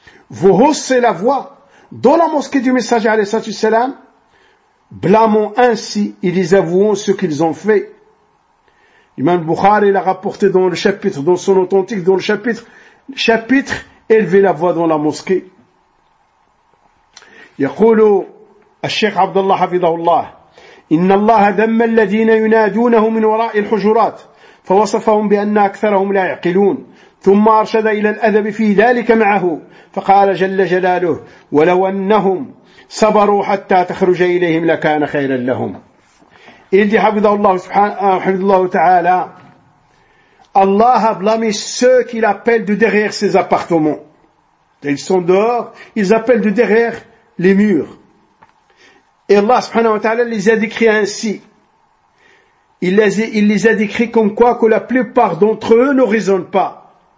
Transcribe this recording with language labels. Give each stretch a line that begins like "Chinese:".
French: Vous haussez la voix dans la mosquée du messager, alayhi salatu wassalam, blâmant ainsi et les avouant ce qu'ils ont fait. Imam Bukhari l'a rapporté dans le chapitre, dans son authentique, dans le chapitre élever la voix dans la mosquée.
Arabic: يقول الشيخ عبد الله حفظه الله إن الله ذم الذين ينادونه من وراء الحجرات فوصفهم بأن أكثرهم لا يعقلون ثم أرشد إلى الأدب في ذلك معه فقال جل جلاله ولو أنهم صبروا حتى تخرج إليهم لكان خيرا لهم.
French: Il dit, Habidallah, subhanahu wa ta'ala, Allah a blâmé ceux qu'il appelle de derrière ses appartements. Ils sont dehors, ils appellent de derrière les murs. Et Allah, subhanahu wa ta'ala, les a décrits ainsi. Il les a décrits comme quoi que la plupart d'entre eux ne raisonnent pas.